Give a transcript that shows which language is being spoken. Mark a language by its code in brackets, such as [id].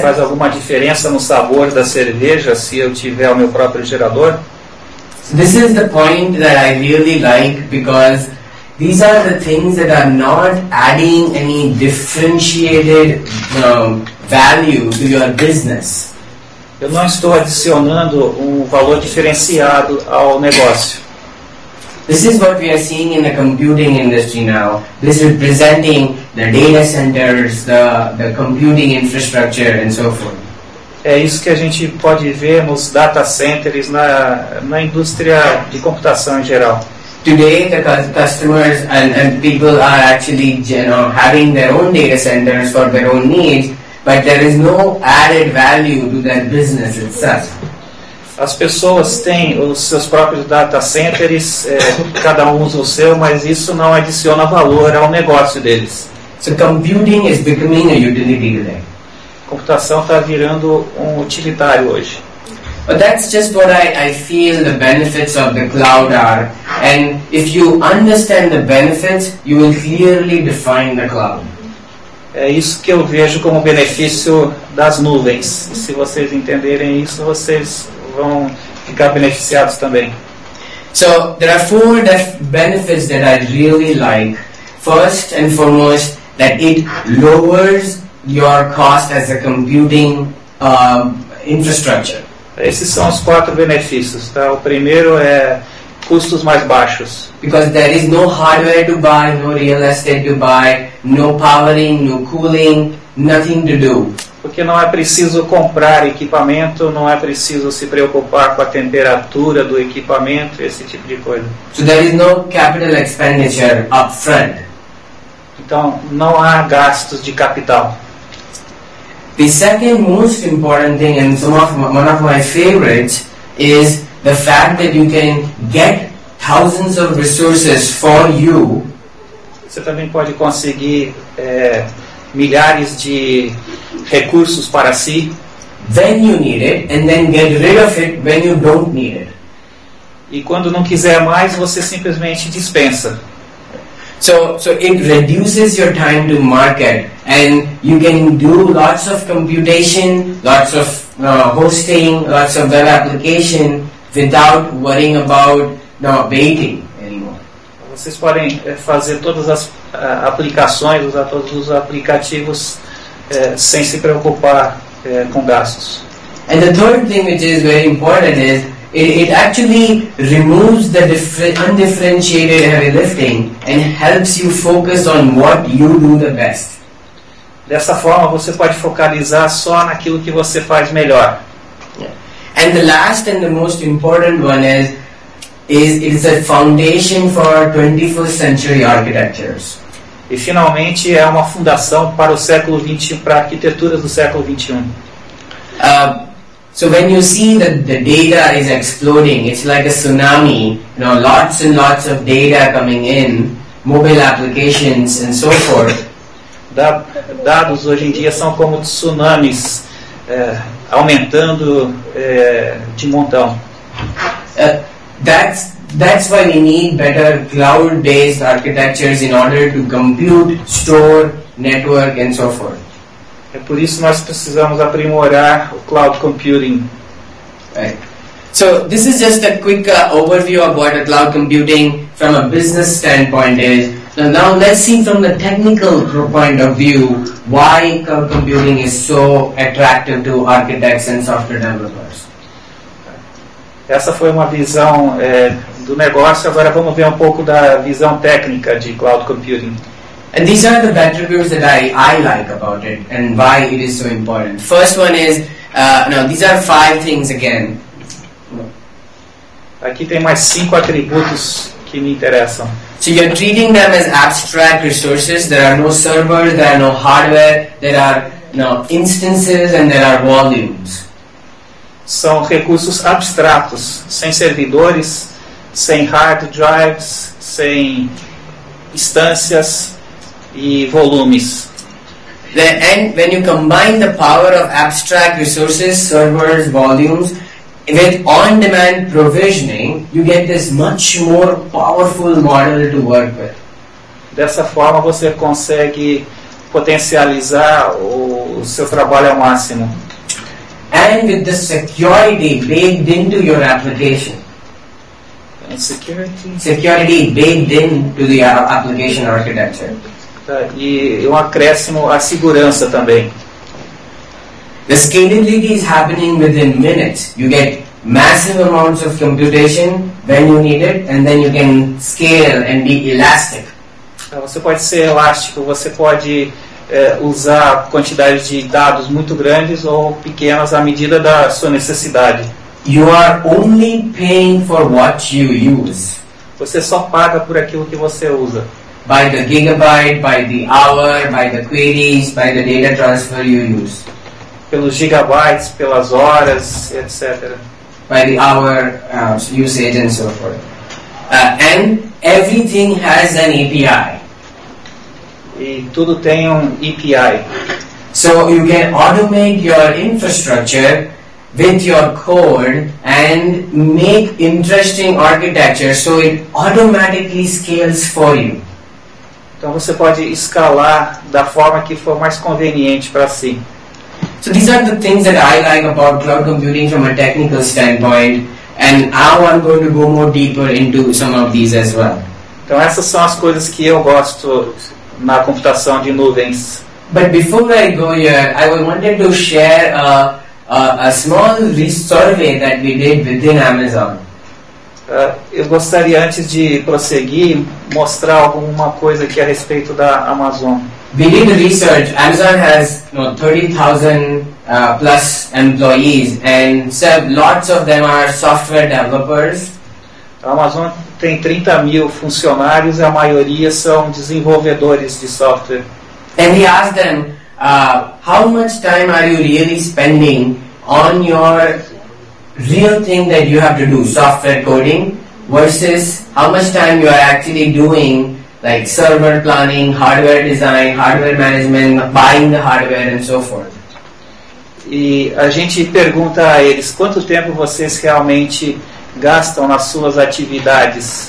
[pt] Faz alguma diferença no sabor da cerveja se eu tiver o meu próprio gerador? [en] This is the point that I really like, because these are the things that are not adding any differentiated value to your business. [pt] Eu não estou adicionando um valor diferenciado ao negócio. [en] This is what we are seeing in the computing industry now. This is presenting the data centers, the computing infrastructure and so forth. [pt] É isso que a gente pode ver nos data centers, na indústria de computação em geral. [en] Today the customers and people are actually, you know, having their own data centers for their own needs. But there is no added value to that business itself. [pt] As pessoas têm os seus próprios data centers, cada um usa o seu, mas isso não adiciona valor ao negócio deles. [en] So computing is becoming a utility today. [pt] Computação está virando um utilitário hoje. [en] But that's just what I feel the benefits of the cloud are. And if you understand the benefits, you will clearly define the cloud. [pt] É isso que eu vejo como benefício das nuvens. E se vocês entenderem isso, vocês vão ficar beneficiados também. [en] So, there are four benefits that I really like. First and foremost, that it lowers your cost as a computing infrastructure. [pt] Esses são os quatro benefícios, tá? O primeiro é custos mais baixos. [en] Because there is no hardware to buy, no real estate to buy, no powering, no cooling, nothing to do. [pt] Porque não é preciso comprar equipamento, não é preciso se preocupar com a temperatura do equipamento, esse tipo de coisa. [en] So there is no capital expenditure up front. [pt] Então, não há gastos de capital. [en] The second most important thing, and one of my favorites, is the fact that you can get thousands of resources for you. [pt] Você também pode conseguir milhares de recursos para si. [en] When you need it, and then get rid of it when you don't need it. [pt] E quando não quiser mais, você simplesmente dispensa. [en] So it reduces your time to market, and you can do lots of computation, lots of hosting, lots of web application, without worrying about not waiting anymore. [pt] Vocês podem fazer todas as aplicações, usar todos os aplicativos sem se preocupar com gastos. [en] And the third thing which is very important is it actually removes the undifferentiated heavy lifting and helps you focus on what you do the best. [pt] Dessa forma, você pode focalizar só naquilo que você faz melhor. [en] Yeah. And the last and the most important one is a foundation for 21st century architectures. [pt] E finalmente é uma fundação para o século 21, para arquiteturas do século 21. [en] So when you see that the data is exploding, it's like a tsunami, you know, lots and lots of data coming in, mobile applications and so forth. [pt] Dados hoje em dia são como tsunamis, aumentando de montão. [en] That's why we need better cloud-based architectures in order to compute, store, network and so forth. [pt] É por isso que nós precisamos aprimorar o cloud computing. [en] Right. So this is just a quick overview of what a cloud computing from a business standpoint is. So now let's see from the technical point of view why cloud computing is so attractive to architects and software developers. [pt] Essa foi uma visão do negócio. Agora vamos ver um pouco da visão técnica de cloud computing. [en] And these are the attributes that I like about it and why it is so important. First one is, these are five things again. [pt] Aqui tem mais cinco atributos que me interessam. [en] So you're treating them as abstract resources. There are no servers, there are no hardware, there are no instances and there are volumes. [pt] São recursos abstratos, sem servidores, sem hard drives, sem instâncias e volumes. [en] Then, and when you combine the power of abstract resources, servers, volumes, with on-demand provisioning, you get this much more powerful model to work with. [pt] Dessa forma, você consegue potencializar o seu trabalho ao máximo. [en] And with the security baked into your application. And security? Security baked into the application architecture. [pt] E um acréscimo à segurança também. [en] The scalability is happening within minutes. You get massive amounts of computation when you need it, and then you can scale and be elastic. [pt] Você pode ser elástico, você pode usar quantidades de dados muito grandes ou pequenas à medida da sua necessidade. [en] You are only paying for what you use. [pt] Você só paga por aquilo que você usa. [en] By the gigabyte, by the hour, by the queries, by the data transfer you use. [pt] Pelos gigabytes, pelas horas, etc. [en] By the hour usage and so forth. And everything has an API. [pt] E tudo tem API. [en] So you can automate your infrastructure with your code and make interesting architecture so it automatically scales for you. [pt] Então você pode escalar da forma que for mais conveniente para si. [en] So these are the things that I like about cloud computing from a technical standpoint, and now I'm going to go more deeper into some of these as well. [pt] Então essas são as coisas que eu gosto na computação de nuvens. [en] But before I go here, I wanted to share a small survey that we did within Amazon. [pt] Eu gostaria, antes de prosseguir, mostrar alguma coisa aqui a respeito da Amazon. [en] We did research. Amazon has 30,000 plus employees, and lots of them are software developers. [pt] A Amazon tem 30 mil funcionários, e a maioria são desenvolvedores de software. [en] And we asked them, how much time are you really spending on your real thing that you have to do, software coding, versus how much time you are actually doing like server planning, hardware design, hardware management, buying the hardware and so forth. [pt] E a gente pergunta a eles quanto tempo vocês realmente gastam nas suas atividades.